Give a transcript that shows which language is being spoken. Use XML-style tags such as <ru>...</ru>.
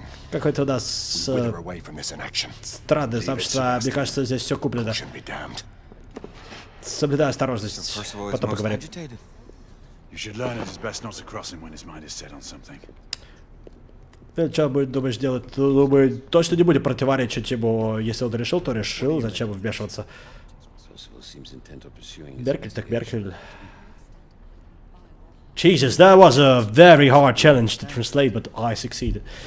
<ru>Какой-то у нас странное сообщество. Мне кажется, здесь все куплено. Соблюдай осторожность, потом поговорим.</ru> <en>You should learn it is best not to cross him when his mind is set on something.</en> <ru>Ты что будет думаешь делать? Ты думаешь, точно не будет противоречить ему, если он решил, то решил, зачем вмешиваться? Меркель так Меркель.</ru> <en>Jesus, that was a very hard challenge to translate, but I succeeded.</en>